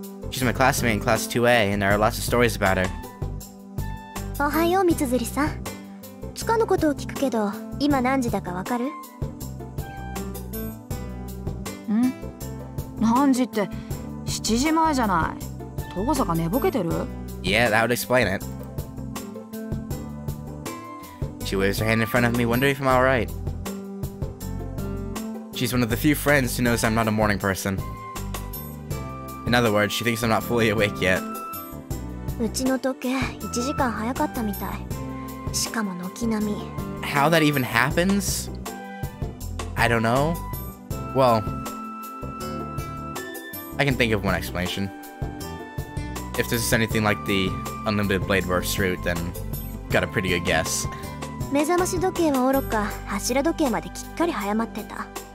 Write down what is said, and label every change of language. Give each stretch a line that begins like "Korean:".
English: She's my classmate in class 2A, and there are lots of stories about her.
Japanese: おはよう、Mitsuzuri-san. 地下のことを聞くけど、 今何時だかわかる? ん? 何時って 7時前じゃない? 東坂寝ぼけてる?
English: Yeah, that would explain it. She waves her hand in front of me, wondering if I'm alright. She's one of the few friends who knows I'm not a morning person. In other words, she thinks I'm not fully awake yet.
Japanese: うちの時計 1時間早かったみたい。しかも軒並み。
English: How that even happens? I don't know. Well, I can think of one explanation. If this is anything like the Unlimited Blade Works route, then got a pretty good guess.
Japanese: 目覚まし時計はおろか、柱時計までしっかり早まってた。